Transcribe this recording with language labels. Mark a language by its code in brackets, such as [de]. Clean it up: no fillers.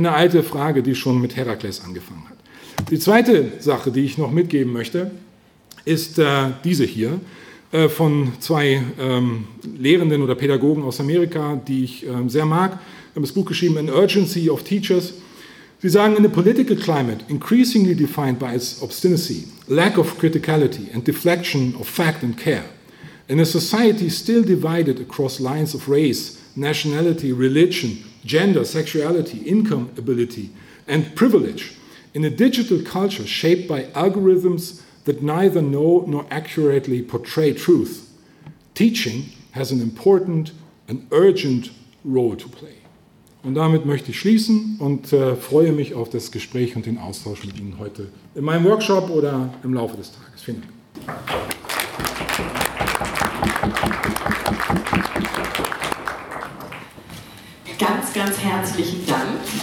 [de] Eine alte Frage, die schon mit Herakles angefangen hat. Die zweite Sache, die ich noch mitgeben möchte, ist diese hier von zwei Lehrenden oder Pädagogen aus Amerika, die ich sehr mag. Wir haben das Buch geschrieben, An Urgency of Teachers. Sie sagen, [en] in a political climate increasingly defined by its obstinacy, lack of criticality and deflection of fact and care, in a society still divided across lines of race, nationality, religion, gender, sexuality, income, ability and privilege, in a digital culture shaped by algorithms that neither know nor accurately portray truth, teaching has an important and urgent role to play. [de] Und damit möchte ich schließen und freue mich auf das Gespräch und den Austausch mit Ihnen heute in meinem Workshop oder im Laufe des Tages. Vielen Dank. Ganz, ganz herzlichen Dank.